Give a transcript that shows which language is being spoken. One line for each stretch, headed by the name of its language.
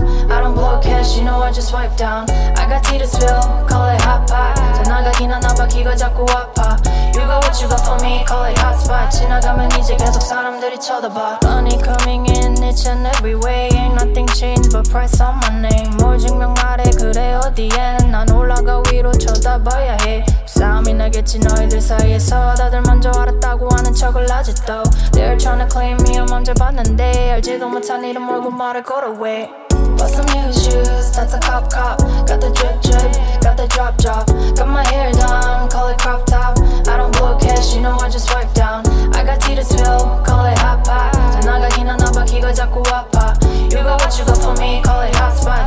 English: I don't blow cash, you know I just wipe down. I got tea to spill, call it hot pot.
Korean: 전화가 기나나 봐, 귀가 자꾸 아파.
English: You got what you got for me, call it hot spot.
Korean: 지나가면 이제 계속 사람들이 쳐다봐.
English: Money coming in each and every way. Ain't nothing changed but price on my name.
Korean: 뭘 증명 말해 그래 어디에는 난 올라가 위로 쳐다봐야 해. 싸움이 나겠지 너희들 사이에서. 다들 먼저 알았다고 하는 척을 아직도.
English: They're tryna claim me, I'm
Korean: 언제 봤는데. 알지도 못한 이름 모르고 말을 걸어 왜.
English: Bought some new shoes, that's a cop cop. Got the drip drip, got the drop drop. Got my hair done, call it crop top. I don't blow cash, you know I just wipe down. I got tea to spill, call it hot pot.
Korean: 전화가 기나나 봐, 귀가 자꾸 아파.
English: You got what you got for me, call it hot spot.